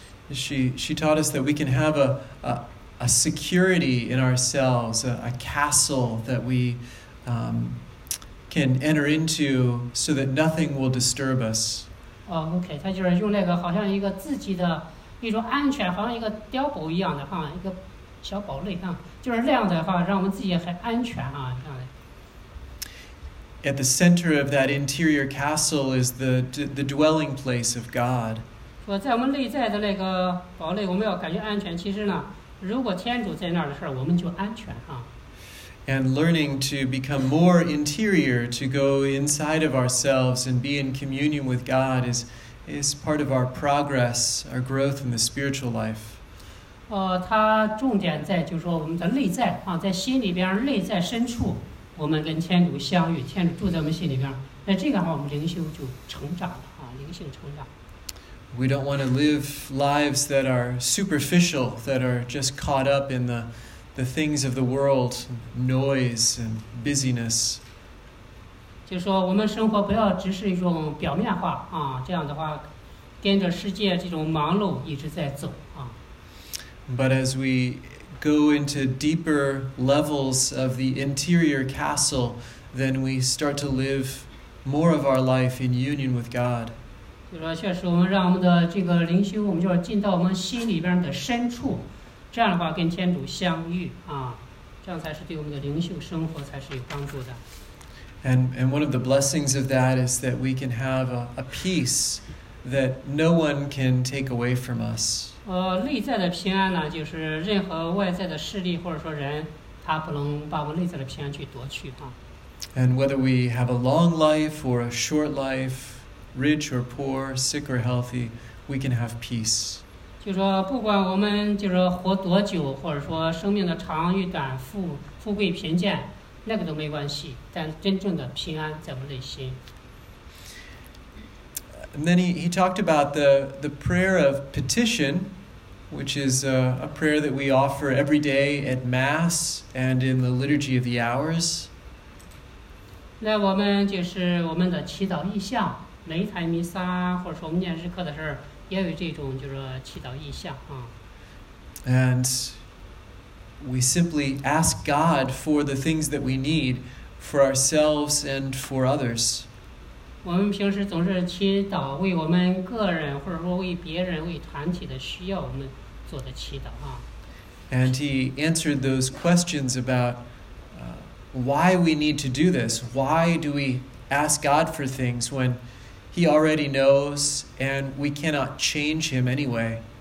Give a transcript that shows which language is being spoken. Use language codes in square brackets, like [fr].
[en] She taught us that we can have a security in ourselves, a castle that we. Can enter into so that nothing will disturb us. Oh, okay. [zh] 他就是用那个好像一个自己的一种安全，好像一个碉堡一样的哈，一个小堡垒啊，就是那样的话，让我们自己很安全啊，这样的。 [en] At the center of that interior castle is the dwelling place of God. [zh] 说在我们内在的那个堡垒，我们要感觉安全。其实呢，如果天主在那儿的时候，我们就安全啊。 [en] And learning to become more interior, to go inside of ourselves and be in communion with God is part of our progress, our growth in the spiritual life. [zh] 它重点在就是说我们的内在啊，在心里边内在深处，我们跟天主相遇，天主住在我们心里边，那这个话我们灵修就成长了啊，灵性成长。 [en] We don't want to live lives that are superficial, that are just caught up in the things of the world, noise and busyness. [zh] 就是说我们生活不要只是一种表面化啊，这样的话跟着世界这种忙碌一直在走啊。 [en] But as we go into deeper levels of the interior castle, then we start to live more of our life in union with God. [zh] 就是说确实我们让我们的这个灵修我们就要进到我们心里边的深处。这样的话跟天主相遇啊，这样才是对我们的灵性生活才是有帮助的。 [en] And one of the blessings of that is that we can have a peace that no one can take away from us. [zh] 内在的平安呢，就是任何外在的势力或者说人，他不能把我内在的平安去夺去啊。 [en] And whether we have a long life or a short life, rich or poor, sick or healthy, we can have peace. [zh] 就说不管我们就是活多久，或者说生命的长与短、富贵贫贱，那个都没关系。但真正的平安在我们内心。 [en] And then he talked about the prayer of petition, which is a prayer that we offer every day at Mass and in the Liturgy of the Hours. [zh] 那我们就是我们的祈祷意象，每台弥撒或者说我们念日课的事也有这种就是祈祷意象啊。 [en] And we simply ask God for the things that we need for ourselves and for others. [zh] 我们平时总是祈祷为我们个人或者说为别人为团体的需要我们做的祈祷啊。 [en] And he answered those questions about why we need to do this. Why do we ask God for things when he already knows and we cannot change him anyway?